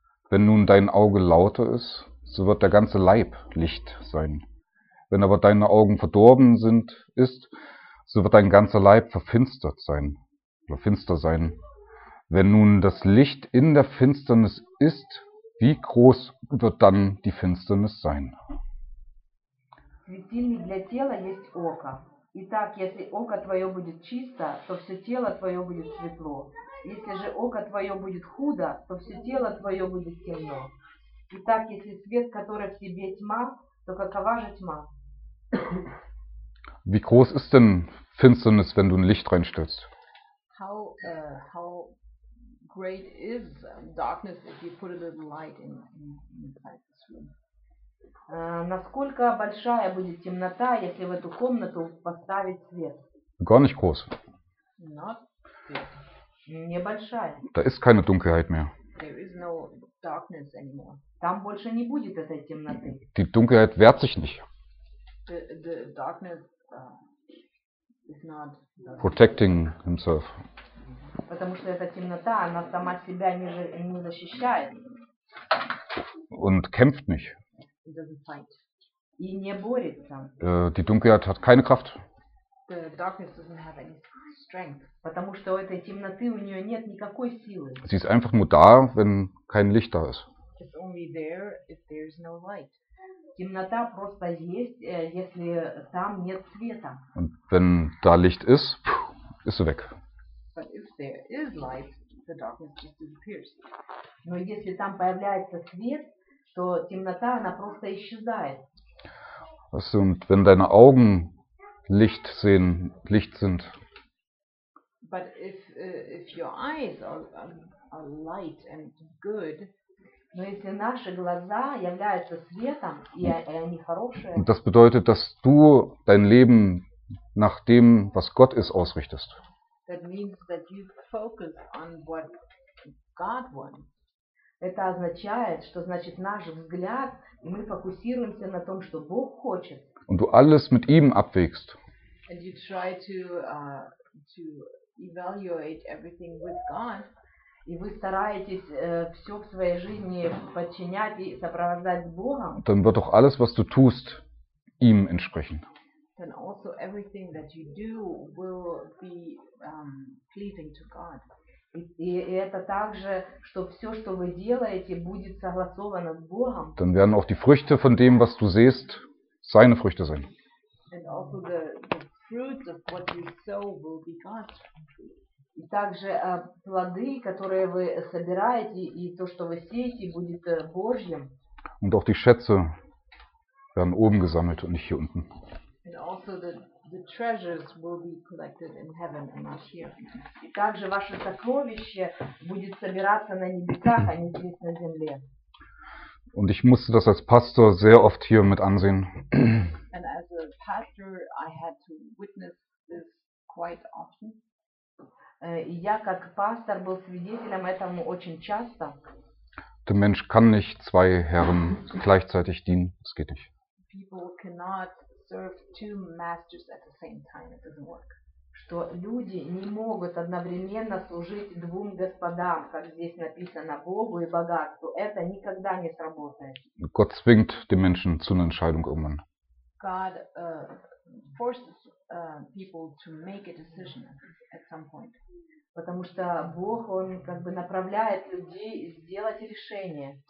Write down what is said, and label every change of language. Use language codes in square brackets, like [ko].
[de] Wenn nun dein Auge lauter ist, so wird der ganze Leib Licht sein. Wenn aber deine Augen verdorben sind, ist, so wird dein ganzer Leib verfinstert sein. Oder finster sein. Wenn nun das Licht in der Finsternis ist, wie groß wird dann die Finsternis sein? [ru] Светильник для тела есть око. Итак, если око твое будет чисто, то все тело твое будет светло. Если же око твое будет худо, то все тело твое будет темно. Итак, если свет, который в тебе тьма, то какова же тьма? [de] Wie groß ist denn Finsternis, wenn du ein Licht reinstellst? [en] How great is darkness if you put a little light inside this room? [ru] Насколько большая будет темнота, если в эту комнату поставить свет? [de] Gar nicht groß. [en] Not big. [ru] Небольшая. [de] Da ist keine Dunkelheit mehr. [en] There is no darkness anymore. [ru] Там больше не будет этой темноты. [de] Die Dunkelheit wehrt sich nicht. [en] The darkness is not protecting himself. [ru] Потому что эта темнота, она сама себя не защищает. [de] Und kämpft nicht. [en] It doesn't fight. [ru] И не борется. [de] Die Dunkelheit hat keine Kraft. [en] the darkness doesn't have any strength. [ru] Потому что у этой темноты у нее нет никакой силы. [de] Sie ist einfach nur da, wenn kein Licht da ist. [en] It's only there if there's no light. [ru] Темнота просто есть, если там нет света. [de] Und wenn da Licht ist, ist sie weg. [en] But if there is light, the darkness just disappears. [ru] Но если там появляется свет, то темнота она просто исчезает. [de] Was ist, und wenn deine Augen Licht sehen, Licht sind. [en] But if your eyes are light and good, [ru] но если наши глаза являются светом и они хорошие. [de] Und das bedeutet, dass du dein Leben nach dem, was Gott ist, ausrichtest. [en] That means that you focus on what God wants. [ru] Это означает, что значит наш взгляд, и мы фокусируемся на том, что Бог хочет. [de] Und du alles mit ihm abwägst. [en] And you try to evaluate everything with God. [ru] И вы стараетесь все в своей жизни подчинять и сопровождать с Богом. [de] Dann wird auch alles, was du tust, ihm entsprechen. [en] Then also everything that you do will be pleasing to God. [ru] И это также, что все, что вы делаете, будет согласовано с Богом. [de] Dann werden auch die Früchte von dem, was du siehst, seine Früchte sein. [en] And also the fruits of what you sow will be God's. [ru] И также плоды, которые вы собираете, и то, что вы сеете, будет Божьим. [de] Und auch die Schätze werden oben gesammelt und nicht hier unten. [en] And also the treasures will be collected in heaven and not here. [ru] И также ваше сокровище будет собираться на небесах, а не здесь на земле. [de] Und ich musste das als Pastor sehr oft hier mit ansehen. [en] And as a pastor, I had to witness this quite often. [ru] Я как пастор был свидетелем этому очень часто. [de] Der Mensch kann nicht zwei Herren gleichzeitig dienen. Das geht nicht. [en] People cannot serve two masters at the same time. It doesn't work. [ru] Что люди не могут одновременно служить двум господам, как здесь написано, Богу и богатству. Это никогда не сработает. [de] Gott zwingt den Menschen zu einer Entscheidung irgendwann. [en] God forces people to make a decision at some point. [ru] Потому что Бог, он как бы направляет людей сделать решение.